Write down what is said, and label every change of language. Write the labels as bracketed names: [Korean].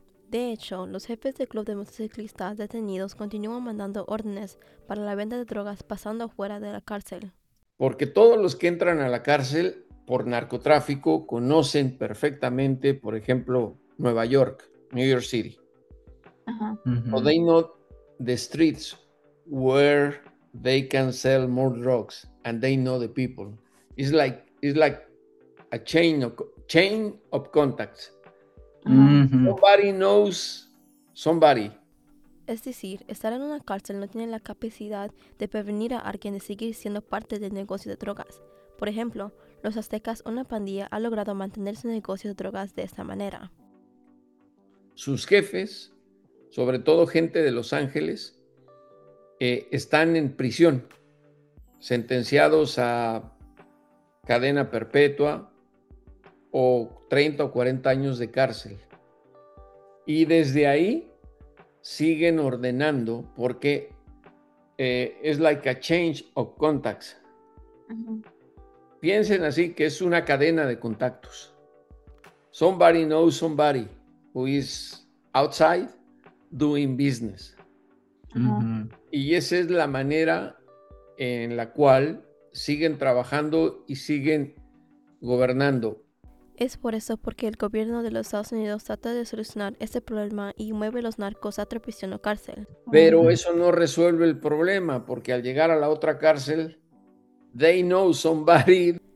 [Spanish] De hecho, los jefes del club de motociclistas detenidos continúan mandando órdenes para la venta de drogas pasando fuera de la cárcel. Porque todos los que entran a la cárcel por narcotráfico conocen perfectamente, por ejemplo, Nueva York, New York City. [English] So they know the streets where they can sell more drugs and they know the people. It's like a chain of contacts. Nobody knows somebody. [Spanish] Es decir, estar en una cárcel no tiene la capacidad de prevenir a alguien de seguir siendo parte del negocio de drogas. Por ejemplo, los aztecas, una pandilla, ha logrado mantener su negocio de drogas de esta manera. Sus jefes, sobre todo gente de Los Ángeles, están en prisión, sentenciados a cadena perpetua o 30 o 40 años de cárcel. Y desde ahí siguen ordenando porque es [English] like a change of contacts. [Spanish] Piensen así, que es una cadena de contactos. [English] Somebody knows somebody who is outside doing business. [Spanish] Y esa es la manera en la cual siguen trabajando y siguen gobernando. Es por eso porque el gobierno de los Estados Unidos trata de solucionar este problema y mueve los narcos a otra prisión o cárcel. Pero eso no resuelve el problema, porque al llegar a la otra cárcel, [English] they know somebody.